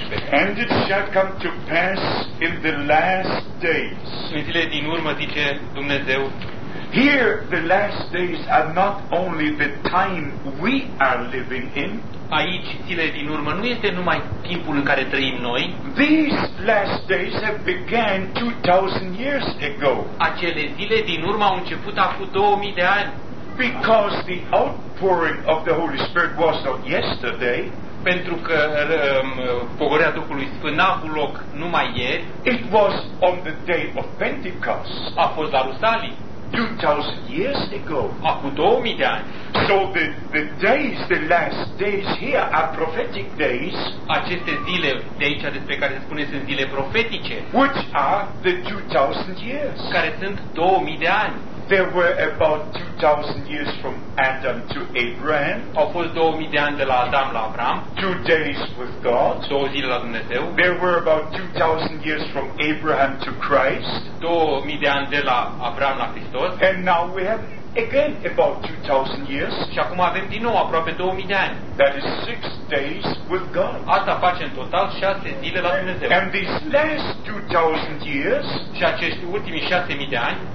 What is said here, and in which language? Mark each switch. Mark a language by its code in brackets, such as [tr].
[en] And it shall come to pass in the last days. [ro] În zilele din urmă, zice Dumnezeu. [en] Here the last days are not only the time we are living in. [ro] Aici zilele din urmă nu este numai timpul în care trăim noi. [en] These last days have began 2000 years ago. [ro] Acele zile din urmă au început acum 2000 de ani. [en] Because the outpouring of the Holy Spirit was not yesterday. [ro] Pentru că pogorea Duhului Sfânt n-a avut loc numai ieri. [en] It was on the day of Pentecost. [ro] A fost la Rusalii. [en] 2000 years ago. [ro] Acum 2000 de ani. [en] So the days, the last days here are prophetic days. [ro] Aceste zile de aici despre care se spune sunt zile profetice. [en] Which are the 2000 years. [ro] Care sunt 2000 de ani. [en] There were about 2000 years from Adam to Abraham. [ro] Au fost 2000 de ani de la Adam la Abraham. [en] 2 days with God. [ro] 2 zile la Dumnezeu. [en] There were about 2000 years from Abraham to Christ. [ro] 2000 de ani de la Abraham la Hristos. [en] And now we have again about 2000 years. [ro] Și acum avem din nou aproape 2000 de ani. [en] That is 6 days with God. [ro] Asta face în total 6 zile la Dumnezeu. [en] And these last 2000 years, [ro] și acești ultimii 6000 de ani,